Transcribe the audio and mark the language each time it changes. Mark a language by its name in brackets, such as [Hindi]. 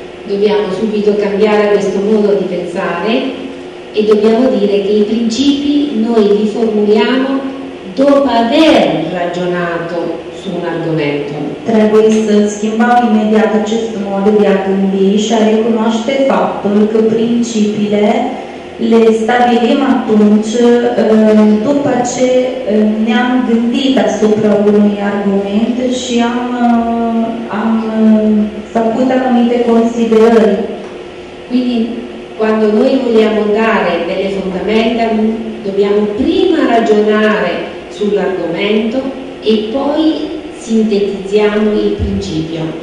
[Italian] Dobbiamo subito cambiare questo modo di pensare e dobbiamo dire che i principi noi li formuliamo dopo aver ragionato su un argomento. [Romanian] Trebuie să schimbăm imediat acest mod de a gândi și a recunoaște faptul că principiile le stabilim atunci după ce ne-am gândit asupra unui argument și am făcut anumite considerări. [Italian] Quindi, quando noi vogliamo dare delle fondamenta, dobbiamo prima ragionare sull'argomento e poi sintetizziamo il principio.